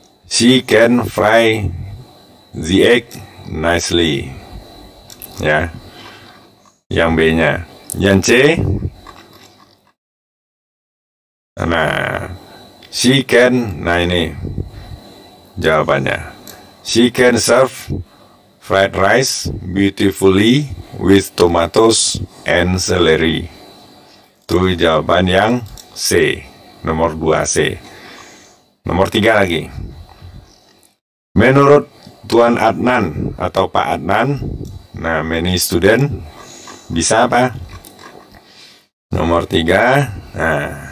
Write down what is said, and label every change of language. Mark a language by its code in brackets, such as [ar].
[en] She can fry the egg nicely. [id] Ya. Yang B-nya. Yang C. Nah, [en] she can, [id] nah ini jawabannya. [en] She can serve fried rice beautifully with tomatoes and celery. [id] Itu jawaban yang C, nomor 2C. Nomor 3 lagi. Menurut Tuan Adnan atau Pak Adnan, nah [en] many student, [id] bisa apa? Nomor 3, nah.